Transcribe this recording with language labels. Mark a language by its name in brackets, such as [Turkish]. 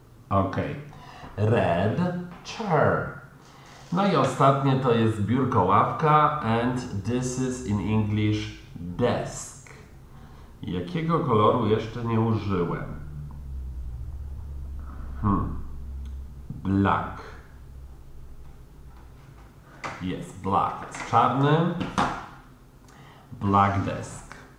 [Polish] Okej. Okay. [English] Red chair. [Polish] No i ostatnie to jest biurko, ławka. [English] And this is in English desk. [Polish] Jakiego koloru jeszcze nie użyłem? [English] Black. [Polish] Jest black. Z czarnym. [English] Black desk.